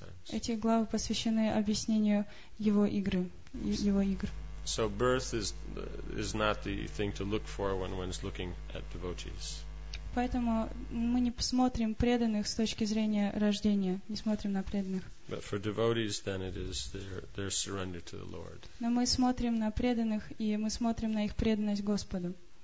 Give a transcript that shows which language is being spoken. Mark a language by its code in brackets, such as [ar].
[ru] Эти главы посвящены объяснению его игры, его игр. [en] So birth is not the thing to look for when one's looking at devotees. [ru] Поэтому мы не посмотрим преданных с точки зрения рождения, не смотрим на преданных. [en] But for devotees, then it is their surrender to the Lord. [ru] Но мы смотрим на преданных и мы смотрим на их преданность Господу.